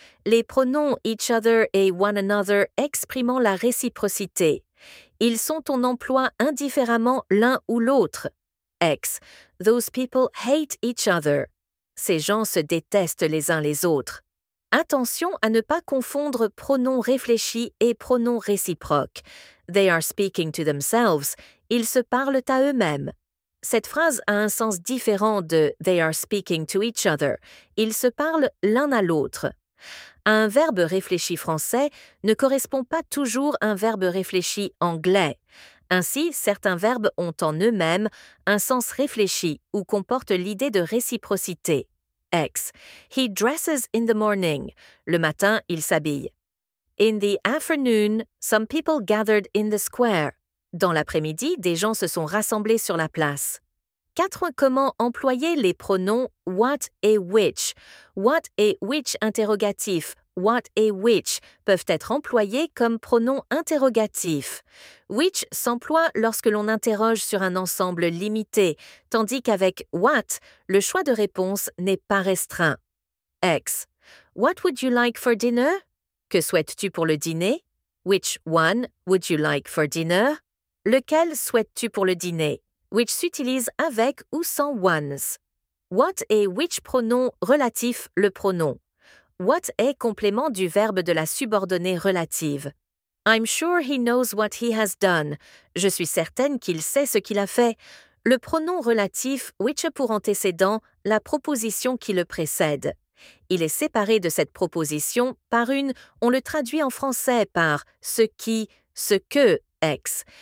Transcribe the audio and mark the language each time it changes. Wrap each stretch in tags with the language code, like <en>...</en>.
<fr>Les pronoms each other et one another exprimant la réciprocité. Ils sont en emploi indifféremment l'un ou l'autre. Ex.</fr> <en>Those people hate each other.</en> <fr>Ces gens se détestent les uns les autres. Attention à ne pas confondre pronoms réfléchis et pronoms réciproques.</fr> <en>They are speaking to themselves.</en> <fr>Ils se parlent à eux-mêmes. Cette phrase a un sens différent de «</fr> <en>they are speaking to each other ».</en> <fr>Ils se parlent l'un à l'autre. Un verbe réfléchi français ne correspond pas toujours à un verbe réfléchi anglais. Ainsi, certains verbes ont en eux-mêmes un sens réfléchi ou comportent l'idée de réciprocité. Ex.</fr> <en>He dresses in the morning.</en> <fr>Le matin, il s'habille.</fr> <en>In the afternoon, some people gathered in the square.</en> <fr>Dans l'après-midi, des gens se sont rassemblés sur la place. 4. Comment employer les pronoms what et which? What et which interrogatif? What et which peuvent être employés comme pronoms interrogatifs. Which s'emploie lorsque l'on interroge sur un ensemble limité, tandis qu'avec what, le choix de réponse n'est pas restreint. Ex.</fr> <en>What would you like for dinner?</en> <fr>Que souhaites-tu pour le dîner?</fr> <en>Which one would you like for dinner?</en> <fr>Lequel souhaites-tu pour le dîner? Which s'utilise avec ou sans ones. What et which pronoms relatifs le pronom? What est complément du verbe de la subordonnée relative?</fr> <en>I'm sure he knows what he has done.</en> <fr>Je suis certaine qu'il sait ce qu'il a fait. Le pronom relatif which a pour antécédent la proposition qui le précède. Il est séparé de cette proposition par une, on le traduit en français par ce qui, ce que, ex.</fr>